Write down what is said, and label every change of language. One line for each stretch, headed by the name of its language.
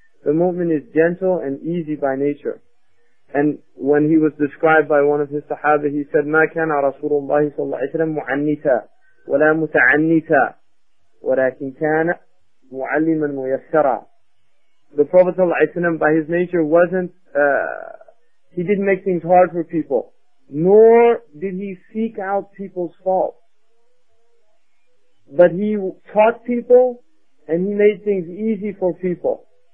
English: The mu'min is gentle and easy by nature. And when he was described by one of his sahaba, he said,
Arabic: مَا كَانَ رَسُولُ اللَّهِ صَلَّى اللَّهِ وَسَلَّمُ مُعَنِّتَ وَلَا مُتَعَنِّتَ وَلَكِنْ كَانَ مُعَلِّمًا مُيَسَّرًا.
English: The Prophet صلى الله عليه وسلم, by his nature, wasn't, he didn't make things hard for people, nor did he seek out people's faults. But he taught people and he made things easy for people.